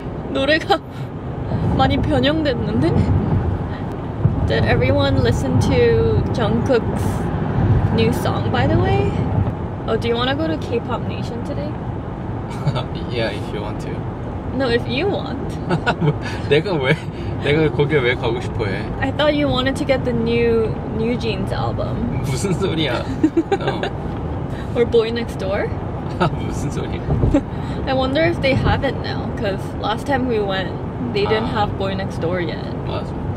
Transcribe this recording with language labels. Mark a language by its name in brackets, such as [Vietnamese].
[Korean] 노래가 많이 변형됐는데? [English] Did everyone listen to Jungkook's new song, by the way? Oh, do you want to go to K-pop Nation today? Yeah, if you want to. No, if you want. [Korean] 내가 왜 내가 거기에 왜 가고 싶어해? [English] I thought you wanted to get the new Jeans album. [Korean] 무슨 소리야? [English] Or Boy Next Door? [Korean] 무슨 소리야? [English] I wonder if they have it now, because last time we went, they didn't have Boy Next Door yet. [Korean] 맞아.